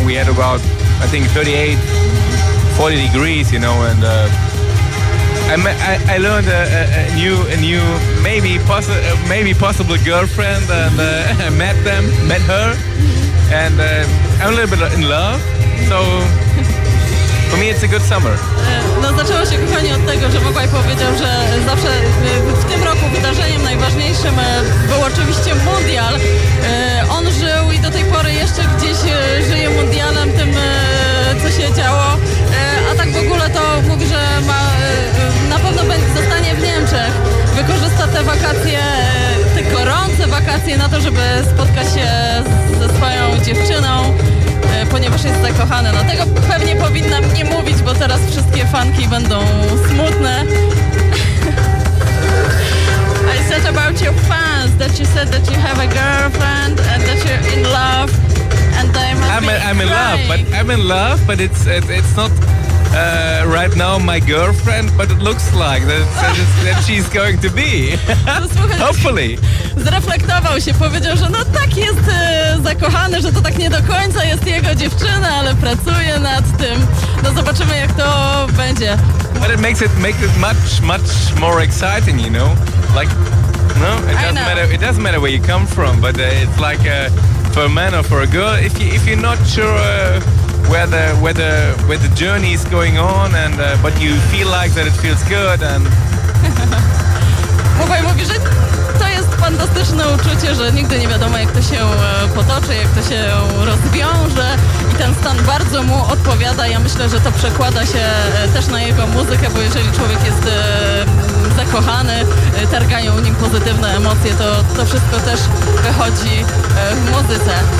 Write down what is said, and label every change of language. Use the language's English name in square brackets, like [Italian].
[English] We had about, I think, 38, 40 degrees, you know, and I learned a new maybe possible girlfriend, and met her, and I'm a little bit in love. So, for me it's a good summer. [Polish] No, zaczęło się, kochani, od tego, że Bogaj powiedział, że zawsze w tym roku wydarzeniem najważniejszym był oczywiście mundial. On żył i do tej pory jeszcze gdzieś żyje mundialem, tym, co się działo. A tak w ogóle to mówi, że ma, na pewno zostanie w Niemczech. Wykorzysta te wakacje, te gorące wakacje, na to, żeby spotkać się ze swoją dziewczyną, ponieważ jest zakochany. No tego pewnie powinnam nie mówić, bo teraz wszystkie fanki będą smutne. [English] I said about your fans, that you said that you have a girlfriend and that you're in love, and I'm in love, but it's not right now my girlfriend, but it looks like that she's going to be. Hopefully. [Polish] Zreflektował się, powiedział, że no tak, jest zakochany, że to tak nie do końca jest jego dziewczyna, ale pracuje nad tym. No zobaczymy, jak to będzie. [English] But it makes it much, much more exciting, you know? Like, no, it doesn't matter where you come from, but it's like for a man or for a girl, if you're not sure where the journey is going on, and but you feel like that it feels good, and [Polish] Mówaj, mówi, że to jest fantastyczne uczucie, że nigdy nie wiadomo, jak to się potoczy, jak to się rozwiąże, i ten stan bardzo mu odpowiada. Ja myślę, że to przekłada się też na jego muzykę, bo jeżeli człowiek jest zakochany, targają nim pozytywne emocje, to wszystko też wychodzi w muzyce.